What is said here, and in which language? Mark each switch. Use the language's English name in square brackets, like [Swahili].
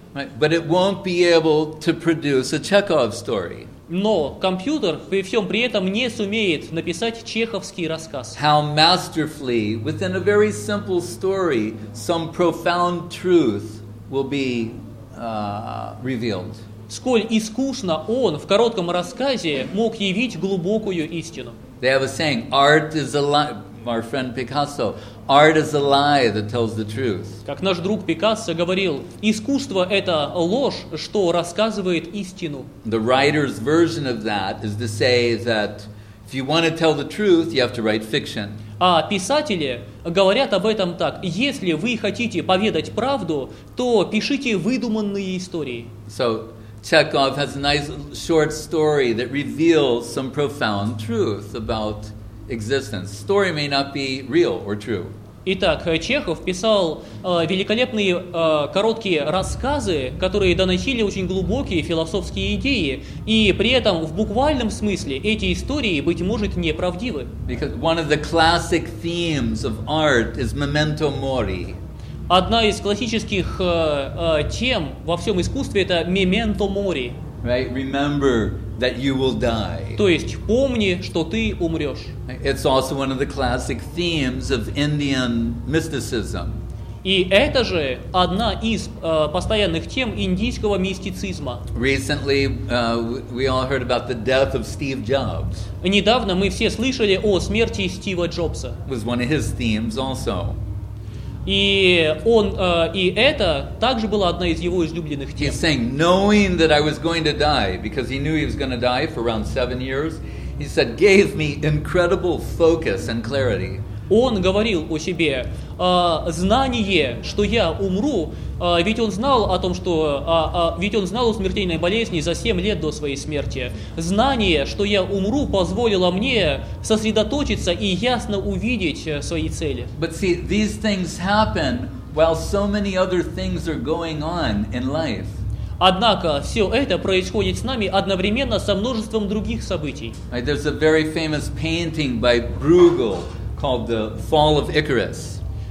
[English] Right, but it won't be able to produce a Chekhov story. [Russian] Но компьютер при всем при этом не сумеет написать чеховский рассказ. [English] How masterfully, within a very simple story, some profound truth will be revealed. [Russian] Сколь искусно он в коротком рассказе мог явить глубокую истину. [English] They have a saying, art is a lie, our friend Picasso, art is a lie that tells the truth. [Russian] Как наш друг Пикассо говорил, искусство — это ложь, что рассказывает истину. [English] The writer's version of that is to say that if you want to tell the truth, you have to write fiction. [Russian] А писатели говорят об этом так. Если вы хотите поведать правду, то пишите выдуманные истории. [English] So, Chekhov has a nice short story that reveals some profound truth about existence. Story may not be real or true. [Russian] Итак, Чехов писал великолепные короткие рассказы, которые доносили очень глубокие философские идеи, и при этом в буквальном смысле эти истории, быть может, неправдивы. [English] Because one of the classic themes of art is memento mori. [Russian] Одна из классических тем во всем искусстве — это memento mori. [English] Right, remember that you will die. [Russian] То есть помни, что ты умрёшь. [English] It's also one of the classic themes of Indian mysticism. [Russian] И это же одна из постоянных тем индийского мистицизма. [English] Recently, we all heard about the death of Steve Jobs. [Russian] Недавно мы все слышали о смерти Стива Джобса. [English] It was one of his themes also. [Russian] И он и это также была одна из его излюбленных тем. [English] He's saying, knowing that I was going to die, because he knew he was going to die for around 7 years, he said, gave me incredible focus and clarity. [Russian] Он говорил о себе, знание, что я умру, ведь он знал о том, что, ведь он знал о смертельной болезни за 7 лет до своей смерти. Знание, что я умру, позволило мне сосредоточиться и ясно увидеть свои цели. [English] But see, these things happen while so many other things are going on in life. [Russian] Однако все это происходит с нами одновременно со множеством других событий. [English] Right, there's a very famous painting by Bruegel called "The Fall of Icarus."